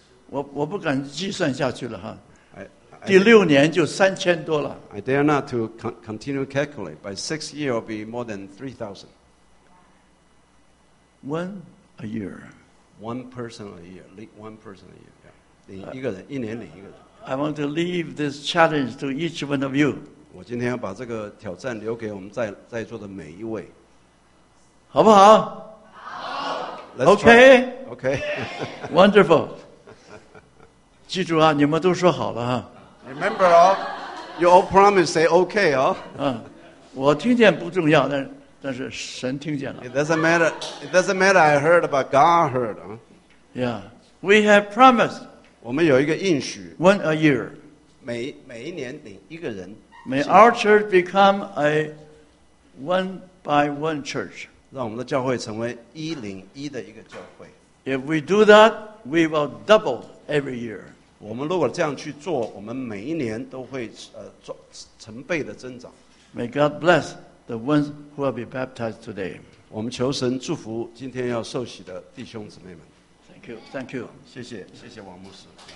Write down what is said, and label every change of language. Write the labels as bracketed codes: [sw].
[zh] 我不敢计算下去了哈。第六年就3000多了。 [en] I dare not to continue calculate. By sixth year, it'll be more than 3,000. One a year. One person a year, lead one person a year. Yeah. [zh] 领一个人，一年领一个人。 [en] I want to leave this challenge to each one of you. [zh] 我今天要把这个挑战留给我们在座的每一位，好不好？好。 [en] Okay. Okay. Wonderful. [zh] 记住啊，你们都说好了哈。 [en] Remember, oh, you all promise, say okay, oh. [zh] 我听见不重要，但是神听见了。 [en] It doesn't matter. I heard, but God heard. Yeah, we have promised. [zh] 我们有一个应许。 [en] One a year. [zh] 每一年领一个人。 [en] May our church become a one by one church. [zh] 让我们的教会成为一零一的一个教会。 [en] If we do that, we will double every year. [zh] 我们如果这样去做，我们每一年都会成倍的增长。 [en] May God bless. The ones who will be baptized today. [zh] 我们求神祝福今天要受洗的弟兄姊妹们。 [en] Thank you. [zh] 谢谢王牧师。